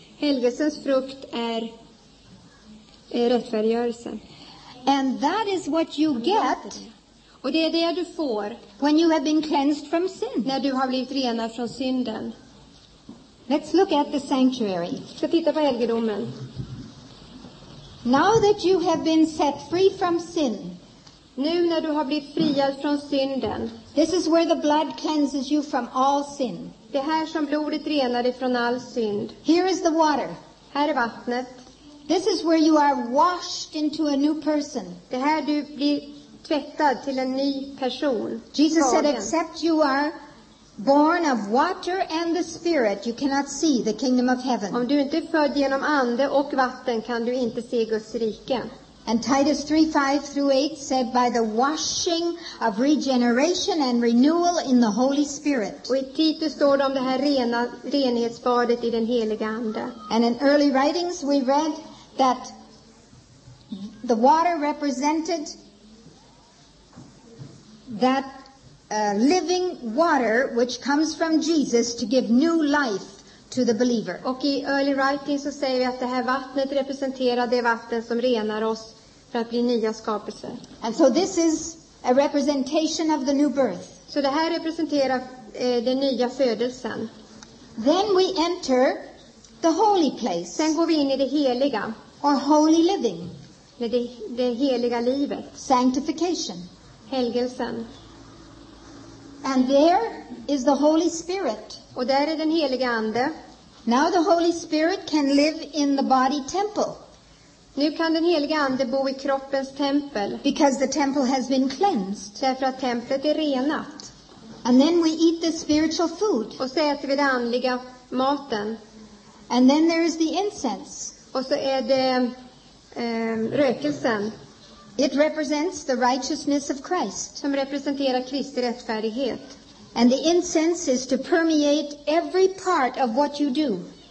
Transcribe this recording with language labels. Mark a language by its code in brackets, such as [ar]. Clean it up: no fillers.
[sv] Helgelsens frukt är rättfärdiggörelse. [en] And that is what you get. [sv] Och det är det du får. [en] When you have been cleansed from sin. [sv] När du har blivit renad från synden. [en] Let's look at the sanctuary. [sv] Vi ska titta på helgedomen. [en] Now that you have been set free from sin. [sv] Nu när du har blivit friad från synden. [en] This is where the blood cleanses you from all sin. [sv] Det här som blodet renar dig från all synd. [en] Here is the water. [sv] Här är vattnet. [en] This is where you are washed into a new person. [sv] Det här du blir tvättad till en ny person. [en] Jesus said, except you are born of water and the spirit, you cannot see the kingdom of heaven. [sv] Om du inte är född genom ande och vatten kan du inte se Guds rike. [en] And Titus 3:5 through 8 said by the washing of regeneration and renewal in the Holy Spirit. [sv] Och i Titus står det om det här rena renhetsbadet i den heliga ande. [en] And in early writings we read that the water represented that living water which comes from Jesus to give new life to the believer. [sv] Och i early writings så säger vi att det här vattnet representerar det vatten som renar oss för att bli nya skapelser. [en] And so this is a representation of the new birth. [sv] Så det här representerar den nya födelsen. [en] Then we enter the holy place. [sv] Sen går vi in i det heliga. [en] Or holy living. [sv] Det heliga livet. [en] Sanctification. [sv] Helgelsen. [en] And there is the Holy Spirit. [sv] Och där är den heliga ande. [en] Now the Holy Spirit can live in the body temple. [sv] Nu kan den heliga ande bo i kroppens tempel. [en] Because the temple has been cleansed. [sv] Därför att templet är renat. [en] And then we eat the spiritual food. [sv] Och så äter vi det andliga maten. [en] And then there is the incense. [sv] Och så är det rökelsen. [en] It represents the righteousness of Christ. [sv] Som representerar Kristi rättfärdighet. [en] And the incense is to permeate every part of what you do.